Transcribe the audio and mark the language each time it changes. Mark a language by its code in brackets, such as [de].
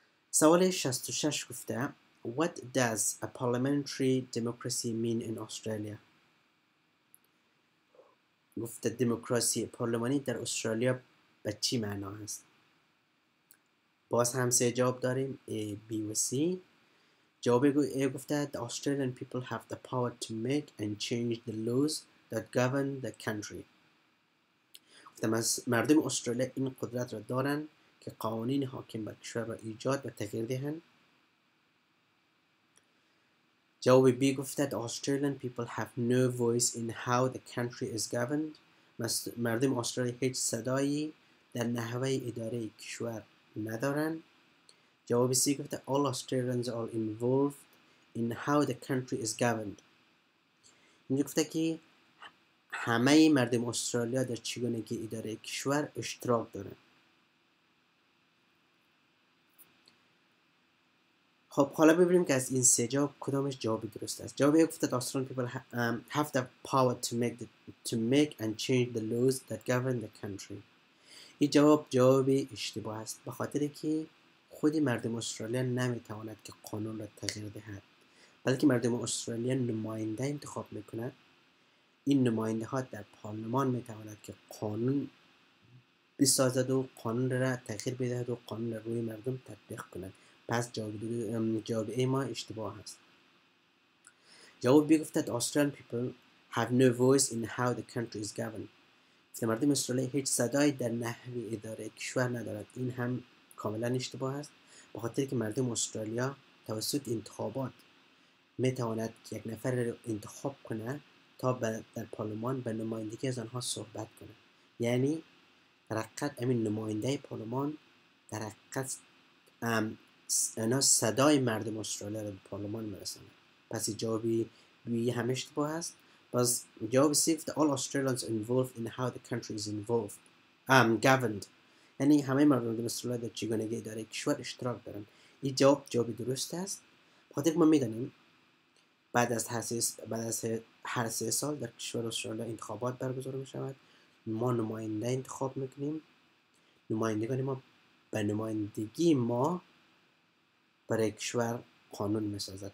[fa] سوال 66 گفته [en] What does a parliamentary democracy mean in Australia? [fa] گفته دموکراسی پارلمانی در استرالیا به چی معنا هست؟ باز هم سه جواب داریم A, B و C. جواب A گفته [en] The Australian people have the power to make and change the laws that govern the country. [fa] گفته مردم استرالیا این قدرت را دارن که قوانین حاکم بر کشور را ایجاد و تغییر دهن. جواب B گفته [en] The Australian people have no voice in how the country is governed. [fa] مردم استرالیا هیچ صدایی در نحوه اداره کشور ندارن. جواب C گفته [en] All Australians are involved in how the country is governed. [fa] اینجا گفته که همه مردم استرالیا در چگونگی اداره کشور اشتراک دارن. خب حالا ببینیم که از این سه جواب کدامش جواب درست است. جواب یک گفته [en] Australian people have the power to make and change the laws that govern the country. [fa] این جواب جواب اشتباه است به خاطر که خود مردم استرالیا نمیتواند که قانون را تغییر دهد. بلکه مردم استرالیا نماینده انتخاب میکند. این نماینده ها در پارلمان میتواند که قانون بسازد و قانون را تغییر بدهد و قانون را روی مردم تطبیق کند. پس جواب ای ما اشتباه هست. جواب بی گفته [en] Australian people have no voice in how the country is governed. [fa] گفته مردم استرالیا هیچ صدایی در نحوه اداره کشور ندارد. این هم کاملا اشتباه است. بخاطر که مردم استرالیا توسط انتخابات میتواند که یک نفر را انتخاب کنه تا در پارلمان به نمایندگی از آنها صحبت کنه. یعنی در حقیقت همین نماینده پارلمان در حقیقت اینا صدای مردم استرالیا را به پارلمان میرسند. پس جواب بی هم اشتباه هست. باز جواب سی گفته [en] All Australians involved in how the country is involved governed. [fa] یعنی همه مردم استرالیا در چگونگی اداره کشور اشتراک دارن. این جواب جواب درست است. خاطر ما میدانیم بعد از هر سه سال در کشور استرالیا انتخابات برگزار میشود. ما نماینده انتخاب میکنیم. نمایندگان ما به نمایندگی ما برای کشور قانون میسازد.